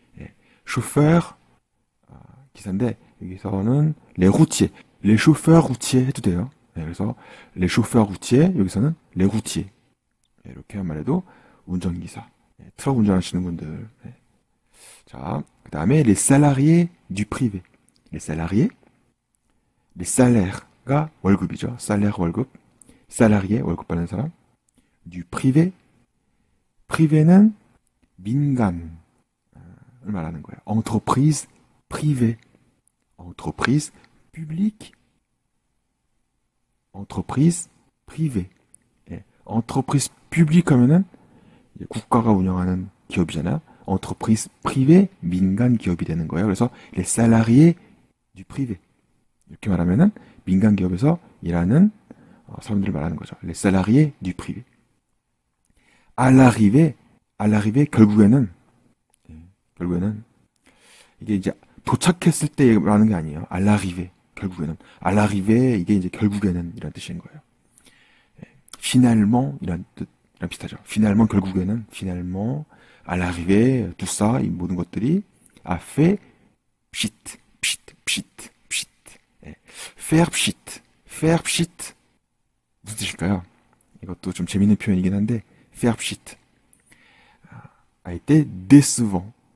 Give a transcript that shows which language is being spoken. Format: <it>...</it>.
<fr>예, chauffeur,</fr> <ko>기사인데, 여기서는</ko> <fr>les routiers, les chauffeurs routiers</fr> <ko>해도 돼요. 네, 그래서</ko> <fr>les chauffeurs routiers</fr> <ko>여기서는</ko> <fr>les routiers.</fr> <ko>네, 이렇게 한 말해도 운전기사, 네, 트럭 운전하시는 분들. 네. 자, 그 다음에</ko> <fr>les salariés du privé. Les salariés, les salaires가 월급이죠.</fr> <ko>Salaire 월급, salarié 월급 받는 사람.</ko> <fr>Du privé,</fr> <ko>privé는 민간을 말하는 거예요.</ko> <fr>Entreprise privée. Entreprise publique. Entreprise privée. Et entreprise publique,</fr> <ko>그러면은, 국가가 운영하는 기업이잖아요.</ko> <fr>entreprise privée</fr> <ko>민간 기업이 되는 거예요. 그래서</ko> <fr>les salariés du privé.</fr> <ko>이렇게 말하면은 민간 기업에서 일하는 사람들을 말하는 거죠.</ko> <fr>Les salariés du privé. À l'arrivée,</fr> <ko>결국에는 이게 이제 도착했을 때 말하는 게 아니에요.</ko> <fr>À l'arrivée, 결국에는. À l'arrivée,</fr> <ko>이게 이제 결국에는 이런 뜻인 거예요.</ko> <fr>Finalement,</fr> <ko>이런 뜻이랑 비슷하죠.</ko> <fr>Finalement, 결국에는. Finalement, à l'arrivée, tout ça,</fr> <ko>이 모든 것들이</ko> <fr>a fait pshit, pshit, pshit, pshit. Faire pshit, faire pshit.</fr> <ko>무슨 뜻일까요? 이것도 좀 재밌는 표현이긴 한데,</ko> <fr>faire pshit a été décevant.</fr>